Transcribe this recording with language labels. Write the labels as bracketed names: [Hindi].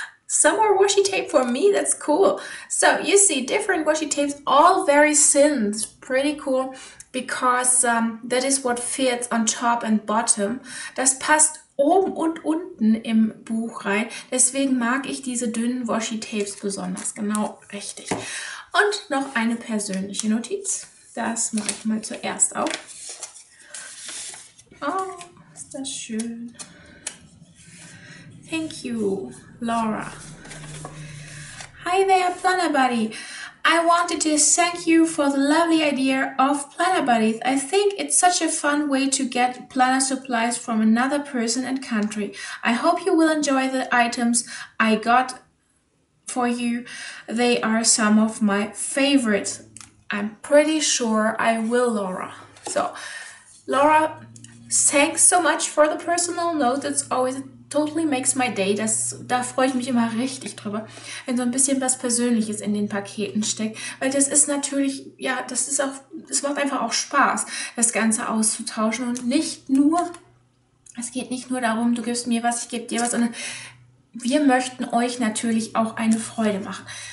[English] Some more washi tape for me, that's cool. So, you see different washi tapes, all very thin. It's pretty cool, because that is what fits on top and bottom. [German] Das passt oben und unten im Buch rein. Deswegen mag ich diese dünnen washi tapes besonders. Genau, richtig. Und noch eine persönliche Notiz. Das mache ich mal zuerst auf. Oh, ist das schön. [English] Thank you, Laura. Hi there, Planner Buddy. I wanted to thank you for the lovely idea of Planner Buddies. I think it's such a fun way to get planner supplies from another person and country. I hope you will enjoy the items I got for you. They are some of my favorites. I'm pretty sure I will, Laura. So, Laura, thanks so much for the personal note. It's always totally makes my day. [German] Da freue ich mich immer richtig drüber, wenn so ein bisschen was Persönliches in den Paketen steckt. Weil das ist natürlich, ja, das ist auch, es macht einfach auch Spaß, das Ganze auszutauschen. Und nicht nur, es geht nicht nur darum, du gibst mir was, ich gebe dir was, sondern wir möchten euch natürlich auch eine Freude machen.